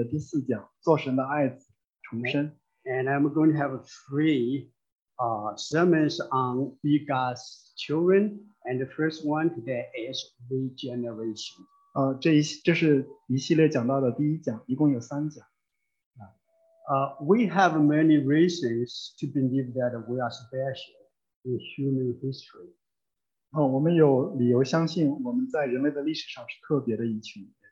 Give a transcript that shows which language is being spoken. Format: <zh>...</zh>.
<zh>今天我来跟大家分享回归根基的第四讲,做神的爱子,重生.</zh> <en>And I'm going to have three sermons on Be God's Children. And the first one today is Regeneration.</en> <zh>这是一系列讲到的第一讲,一共有三讲.</zh> <en>We have many reasons to believe that we are special in human history.</en> <zh>我们有理由相信我们在人类的历史上是特别的一群.</zh>